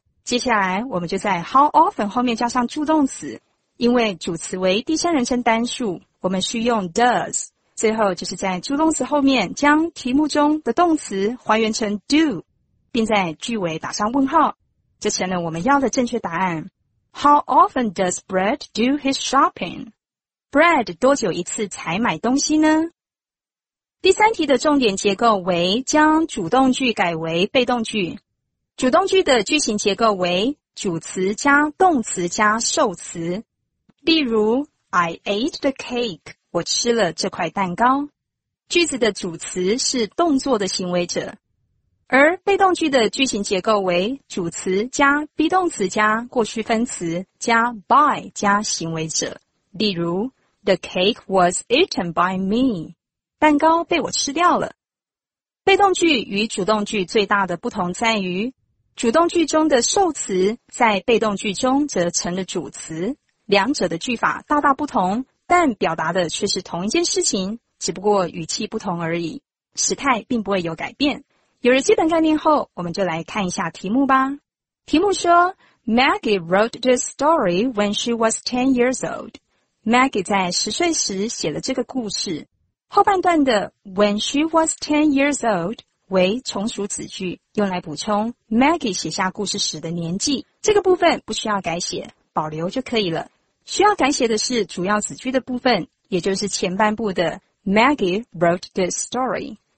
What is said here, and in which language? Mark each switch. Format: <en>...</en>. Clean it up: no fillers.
<zh>接下来我们就在 how often 后面加上助动词，因为主词为第三人称单数，我们需用 does，最后就是在助动词后面将题目中的动词还原成 do， 并在句尾打上问号，这成了我们要的正确答案。</zh> <en>How often does Brad do his shopping?</en> <zh>Brad 多久一次才买东西呢？第三题的重点结构为将主动句改为被动句。主动句的句型结构为主词加动词加受词。例如</zh> <en>I ate the cake，</en> <zh>我吃了这块蛋糕。句子的主词是动作的行为者。而被动句的句型结构为主词加 be 动词加过去分词加 by 加行为者。例如</zh> <en>The cake was eaten by me，</en> <zh>蛋糕被我吃掉了。被动句与主动句最大的不同在于主动句中的受词在被动句中则成了主词，两者的句法大大不同，但表达的却是同一件事情，只不过语气不同而已，时态并不会有改变。有了基本概念后，我们就来看一下题目吧。题目说</zh> <en>Maggie wrote this story when she was 10 years old.</en> <zh>Maggie 在十岁时写了这个故事。后半段的</zh> <en>when she was 10 years old</en> <zh>为从属子句，用来补充 Maggie 写下故事时的年纪。这个部分不需要改写，保留就可以了。需要改写的是主要子句的部分，也就是前半部的</zh> <en>Maggie wrote this story。</en>